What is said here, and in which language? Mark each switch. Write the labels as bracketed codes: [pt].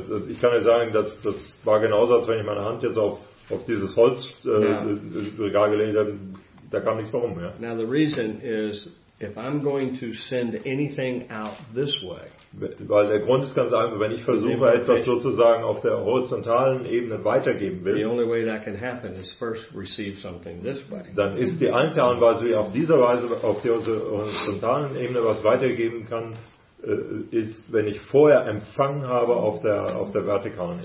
[de] Ich kann euch sagen, das war genauso, als wenn ich meine Hand jetzt auf dieses Holzregal gelegt habe, da kam nichts mehr rum. Ja. [en] Now the reason is, if I'm going to send anything out this way. [de] Weil der Grund ist ganz einfach, wenn ich versuche, etwas sozusagen auf der horizontalen Ebene weitergeben will, [en] the only way that can happen is first receive something this way. [de] Dann ist die einzige Art und Weise, wie auf dieser Weise auf der horizontalen Ebene was weitergeben kann, ist, wenn ich vorher empfangen habe auf der vertikalen Ebene.